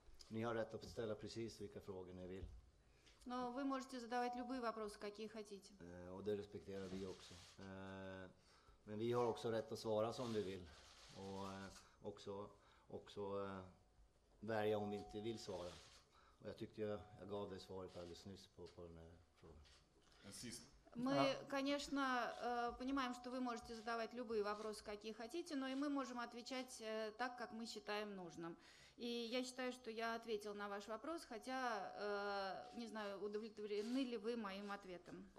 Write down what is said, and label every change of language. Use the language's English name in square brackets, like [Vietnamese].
[Russian] Не рады поставить [Swedish] precis vilka frågor ni vill. [Russian] Но вы можете задавать любые вопросы, какие хотите. [Swedish] Och det respekterar vi också. Men vi har också rätt att svara som vi vill. Och också välja om vi inte vill svara. Och jag tyckte jag gav det svaret alldeles nyss på den här frågan. [Russian] Мы, конечно, понимаем, что вы можете задавать любые вопросы, какие хотите, но и мы можем отвечать так, как мы считаем нужным. И я считаю, что я ответила на ваш вопрос, хотя, не знаю, удовлетворены ли вы моим ответом.